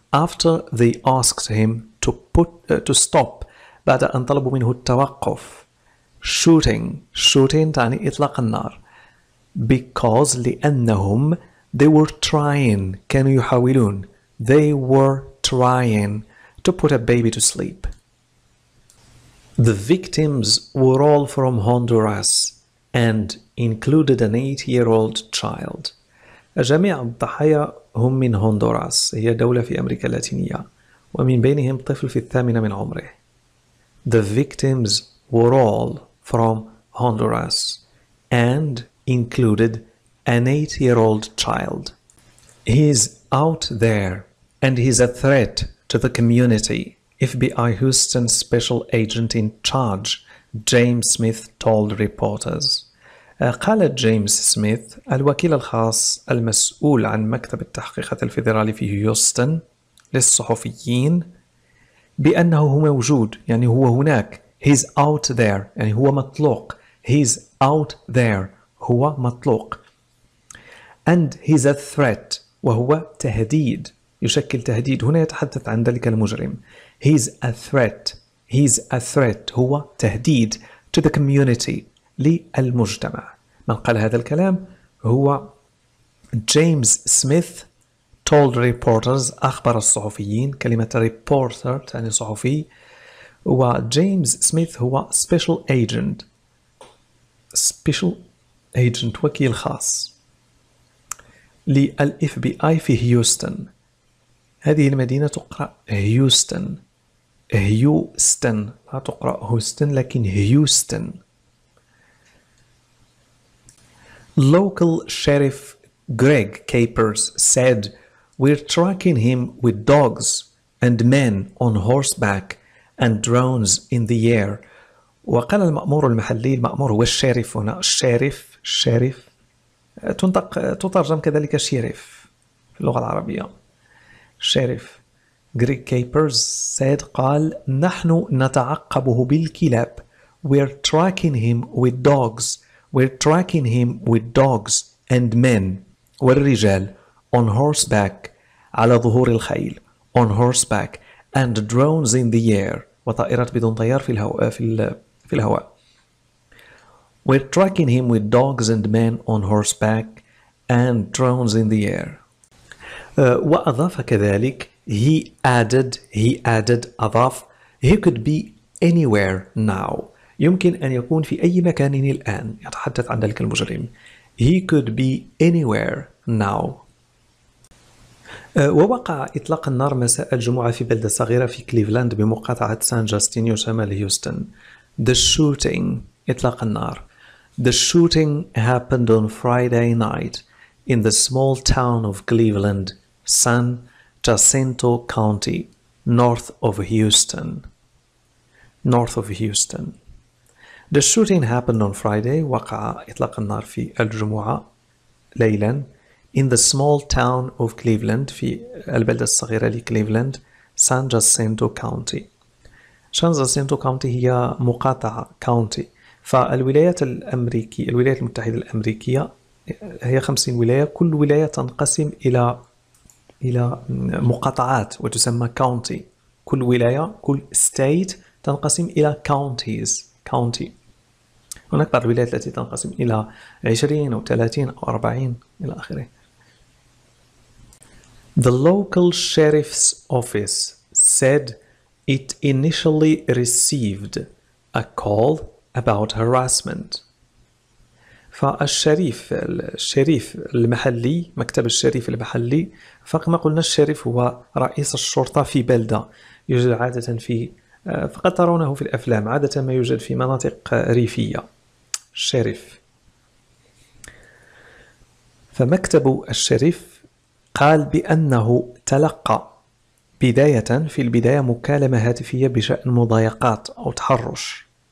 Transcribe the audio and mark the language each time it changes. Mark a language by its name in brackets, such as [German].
[English] After they asked him to put to stop. [Arabic] بعد أن طلبوا منه التوقف. [English] Shooting. [Arabic] Shooting تعني إطلاق النار. [English] Because [Arabic] لأنهم [English] they were trying [Arabic] كانوا يحاولون. [English] They were trying to put a baby to sleep. The victims were all from Honduras and included an 8-year-old child. [Arabic] جميع الضحايا هم من هندوراس، هي دولة في أمريكا اللاتينية، ومن بينهم طفل في الثامنة من عمره. [English] The victims were all from Honduras and included an 8-year-old child. He's out there and he's a threat to the community, FBI Houston Special Agent in Charge James Smith told reporters. [Arabic] قال جيمس سميث الوكيل الخاص المسؤول عن مكتب التحقيقات الفيدرالي في هيوستن للصحفيين بأنه موجود، يعني هو هناك. [English] He's out there [Arabic] يعني هو مطلوق. [English] He's out there [Arabic] هو مطلوق. [English] And he's a threat [Arabic] وهو تهديد، يشكل تهديد. هنا يتحدث عن ذلك المجرم. [English] He's a threat He's a threat. [Arabic] هو تهديد [English] to the community [Arabic] للمجتمع. من قال هذا الكلام؟ هو جيمس سميث [English] told reporters [Arabic] أخبر الصحفيين. كلمة reporter تعني صحفي. وجيمس سميث هو special agent. [English] Special agent [Arabic] وكيل خاص للـ FBI في هيوستن. هذه المدينة تقرأ هيوستن. هيوستن لا تقرأ هوستن لكن هيوستن. [English] Local Sheriff Greg Capers said we're tracking him with dogs and men on horseback and drones in the air. [Arabic] وقال المأمور المحلي، المأمور هو الشريف هنا، الشريف، الشريف تنطق تترجم كذلك شريف في اللغة العربية. الشريف Greg Capers said قال نحن نتعقبه بالكلاب. [English] We're tracking him with dogs. We're tracking him with dogs and men. [Arabic] والرجال [English] on horseback [Arabic] على ظهور الخيل. [English] On horseback and drones in the air. [Arabic] وطائرات بدون طيار في الهواء. في الهواء. [English] We're tracking him with dogs and men on horseback and drones in the air. [Arabic] وأضاف كذلك [English] he added [Arabic] أضاف [English] he could be anywhere now. [Arabic] يمكن أن يكون في أي مكان الآن. يتحدث عن ذلك المجرم. [English] He could be anywhere now. [Arabic] ووقع إطلاق النار مساء الجمعة في بلدة صغيرة في كليفلاند بمقاطعة سان جاستينيو شمال هيوستن. [English] The shooting [Arabic] إطلاق النار. [English] The shooting happened on Friday night in the small town of Cleveland, San Jacinto County, north of Houston. North of Houston. The shooting happened on Friday. [Arabic] وقع إطلاق النار في الجمعة ليلا [English] in the small town of Cleveland [Arabic] في البلدة الصغيرة لكليفلاند San Jacinto County. سان جاسينتو كاونتي هي مقاطعة كاونتي فالولايات الأمريكية الولايات المتحدة الأمريكية هي 50 ولاية كل ولاية تنقسم إلى مقاطعات وتسمى كاونتي كل ولاية كل ستيت تنقسم إلى كاونتيز كاونتي هناك بعض الولايات التي تنقسم إلى 20 أو 30 أو 40 إلى آخره. [English] The local sheriff's office said it initially received a call about harassment. [Arabic] فالشريف الشريف المحلي مكتب الشريف المحلي فكما قلنا الشريف هو رئيس الشرطة في بلدة يوجد عادة في فقد ترونه في الأفلام عادة ما يوجد في مناطق ريفية الشريف فمكتب الشريف قال بأنه تلقى بداية في البداية مكالمة هاتفية بشأن مضايقات أو تحرش.